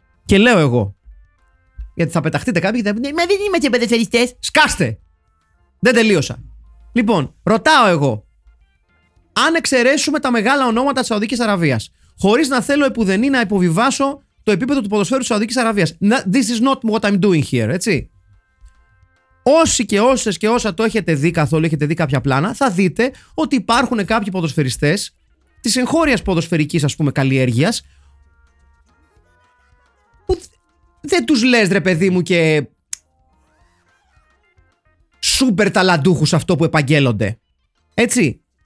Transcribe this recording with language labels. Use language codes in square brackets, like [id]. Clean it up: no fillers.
[el] Και λέω εγώ, γιατί θα πεταχτείτε κάποιοι και θα πούνε, μα δεν είμαστε ποδοσφαιριστές. Σκάστε! Δεν τελείωσα. Λοιπόν, ρωτάω εγώ, αν εξαιρέσουμε τα μεγάλα ονόματα της Σαουδικής Αραβίας, χωρίς να θέλω επουδενή να υποβιβάσω το επίπεδο του ποδοσφαίρου της Σαουδικής Αραβίας. [en] This is not what I'm doing here, έτσι. [el] Όσοι και όσες και όσα το έχετε δει καθόλου, έχετε δει κάποια πλάνα, θα δείτε ότι υπάρχουν κάποιοι ποδοσφαιριστές της εγχώριας ποδοσφαιρικής, ας πούμε, καλλιέργειας, που δεν τους λες, ρε παιδί μου, και σούπερ ταλαντούχους αυτό που επαγγέλλονται, έτσι.